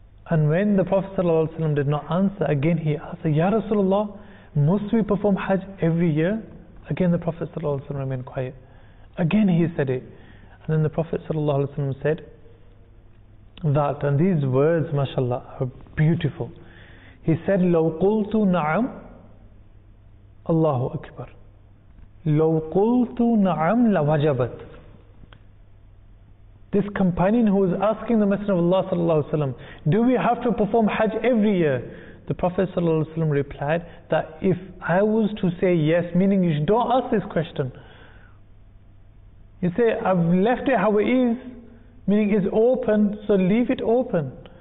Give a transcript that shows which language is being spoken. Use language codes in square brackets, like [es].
[en] And when the Prophet sallallahu alayhi wa sallam did not answer, again he asked, Ya Rasulullah, must we perform Hajj every year? Again the Prophet sallallahu alayhi wa sallam remained quiet. Again he said it. And then the Prophet ﷺ said that, and these words, mashallah, are beautiful. He said, [ar] لو قلت نعم الله أكبر لو قلت نعم لوجبت. [en] This companion who is asking the Messenger of Allah ﷺ, do we have to perform Hajj every year? The Prophet ﷺ replied that if I was to say yes, meaning you don't ask this question, you say, I've left it how it is, meaning it's open, so leave it open.